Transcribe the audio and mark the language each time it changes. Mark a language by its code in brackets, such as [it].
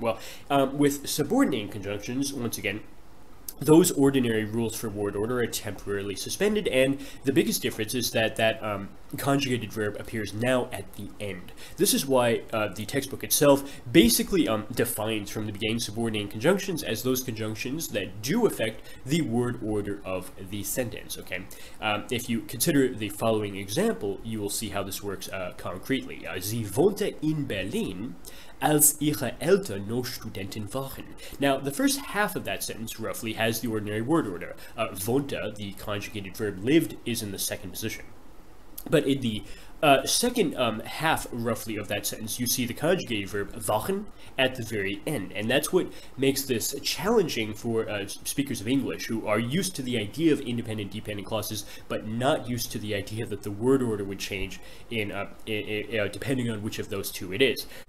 [en] Well, with subordinate conjunctions, once again, those ordinary rules for word order are temporarily suspended, and the biggest difference is that conjugated verb appears now at the end. This is why the textbook itself basically defines from the beginning subordinate conjunctions as those conjunctions that do affect the word order of the sentence, okay? If you consider the following example, you will see how this works concretely. [de] Sie wohnte in Berlin, als ihre Eltern noch Studenten waren. [en] Now, the first half of that sentence, roughly, has the ordinary word order. Wohnte, the conjugated verb lived, is in the second position. But in the second half, roughly, of that sentence, you see the conjugated verb waren at the very end. And that's what makes this challenging for speakers of English who are used to the idea of independent dependent clauses, but not used to the idea that the word order would change in depending on which of those two it is.